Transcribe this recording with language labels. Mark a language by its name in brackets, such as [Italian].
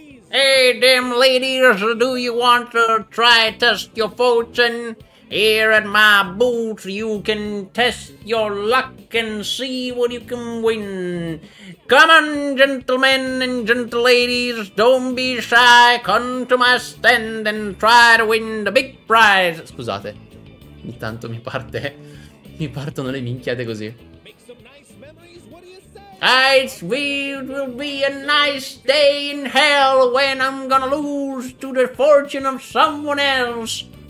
[English] Hey, damn ladies, do you want to try test your fortune? Here at my booth, you can test your luck and see what you can win. Come on, gentlemen and gentleladies, don't be shy. Come to my stand and try to win the big prize. [Italian] Scusate, ogni tanto mi partono le minchiate così. [English] It will be a nice day in hell when I'm gonna lose to the fortune of someone else.